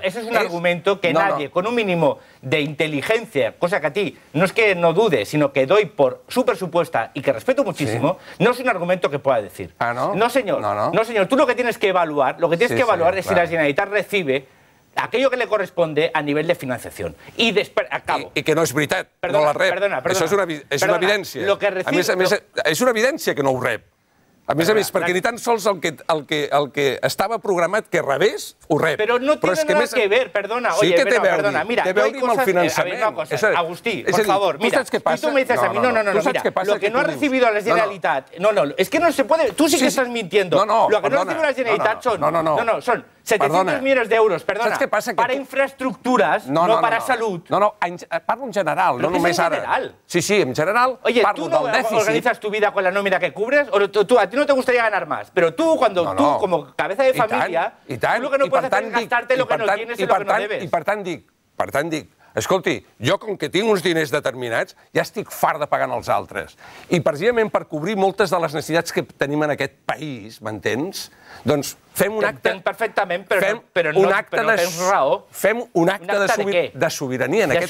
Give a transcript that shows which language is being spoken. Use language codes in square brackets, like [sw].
[es] Ese es un argumento que nadie, con un mínimo de inteligencia, cosa que a ti no es que no dude, sino que doy por súper supuesta y que respeto muchísimo, no es un argumento que pueda decir. Ah, no. No, señor. No, señor. Tú lo que tienes que evaluar es si la Generalitat recibe aquello que le corresponde a nivel de financiación. Y después, acabo. Y que no es [ca] veritat, perdona, no la rep. [es] Perdona. Eso es una evidencia. Lo que recibe... Es una evidencia que [ca] no ho rep. A més a més, perquè ni tan sols el que estava programat que rebés, ho rep. Però no té [es] nada que ver, [ca] perdona. Sí que té veure, mira, té veure amb el finançament. [es] Agustí, por favor, mira, tu me dices a mi, no, mira, lo que no ha recibido la Generalitat, no, es que no se puede, tú sí que estás mintiendo. No, lo que no ha recibido la Generalitat son, son 700 millones de euros, perdona, para infraestructuras, no para salud. [ca] No, parlo en general, no només ara. Sí, en general, parlo del dèficit. [es] Oye, ¿tú no organizas tu vida con la nómina que cubres? O tú, a ti no te gustaría ganar más, pero tú, cuando tú, como cabeza de familia, tú lo que no puedes hacer es gastarte lo que no tienes y lo que no debes. [ca] I per tant dic, escolti, jo com que tinc uns diners determinats, ja estic fart de pagar els altres. I precisament per cobrir moltes de les necessitats que tenim en aquest país, m'entens? Doncs fem un acte... T'entenc perfectament, però no tens raó. Fem un acte de sobirania, en aquest cas.